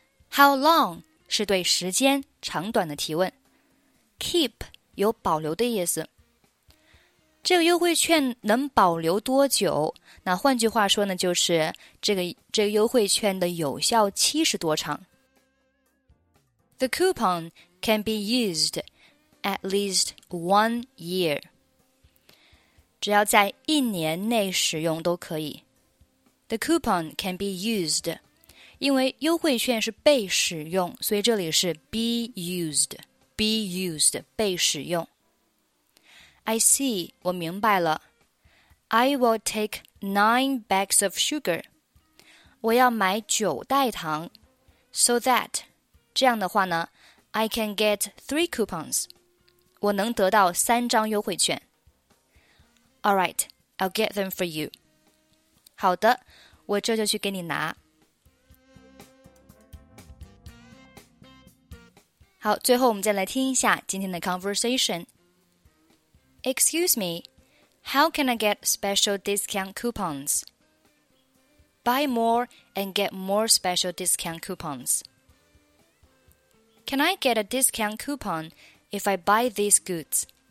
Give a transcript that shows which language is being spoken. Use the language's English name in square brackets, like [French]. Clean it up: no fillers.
[English] How long [Chinese] 是对时间长短的提问 [English] Keep [Chinese] 有保留的意思。这个优惠券能保留多久？那换句话说呢，就是这个优惠券的有效期是多长？ [English] The coupon can be used at least 1 year. [Chinese] 只要在一年内使用都可以。 [English] The coupon can be used. [Chinese] 因为优惠券是被使用，所以这里是 [English] be used. Be used, [Chinese] 被使用。 [English] I see, [Chinese] 我明白了。 [English] I will take 9 bags of sugar. [Chinese] 我要买9袋糖。 [English] So that, [Chinese] 这样的话呢 [English] I can get 3 coupons. [Chinese] 我能得到3张优惠券。 [English] Alright, I'll get them for you. [Chinese] 好的，我这就去给你拿。好，最后我们再来听一下今天的 conversation。 [English] Excuse me, how can I get special discount coupons? Buy more and get more special discount coupons. Can I get a discount coupon if I buy these goods?